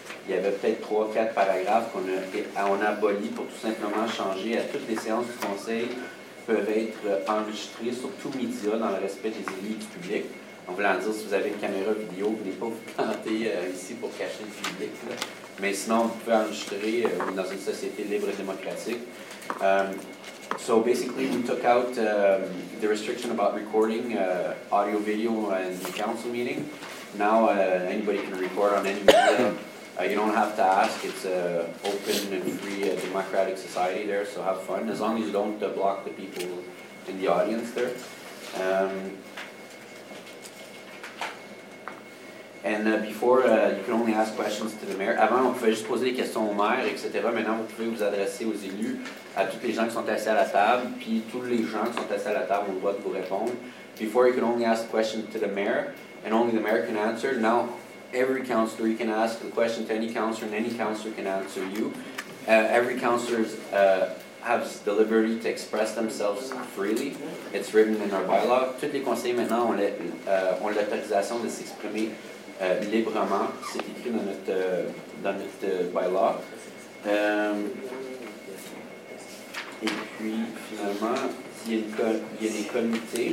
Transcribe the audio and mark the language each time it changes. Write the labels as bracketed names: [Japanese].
[French] Il y avait peut-être 3-4 paragraphes qu'on a abolis pour tout simplement changer à toutes les séances du conseil. peuvent être enregistrés sur tout média dans le respect des élus du public. En voulant dire, si vous avez une caméra vidéo, vous n'êtes pas vous planter ici pour cacher le public. Là. Mais sinon, vous pouvez enregistrer dans une société libre et démocratique. [English] So basically, we took out the restriction about recording audio-video in the council meeting. Now anybody can record on any media. You don't have to ask. It's an open and free democratic society there, so have fun. As long as you don't block the people in the audience there. And before, you can only ask questions to the mayor. [French] Avant, on pouvait juste poser des questions au maire, etc. Maintenant, vous pouvez vous adresser aux élus, à toutes les gens qui sont assis à la table, puis tous les gens qui sont assis à la table ont le droit de vous répondre. [English] Before, you can only ask questions to the mayor, and only the mayor can answer. Now, every councillor, you can ask a question to any councillor, and any councillor can answer you. Every councillor has the liberty to express themselves freely. It's written in our bylaw. [French] Tous les conseillers, maintenant, ont l'autorisation de s'exprimer librement, c'est écrit dans notre bylaw. Et puis, finalement, il y a des comités.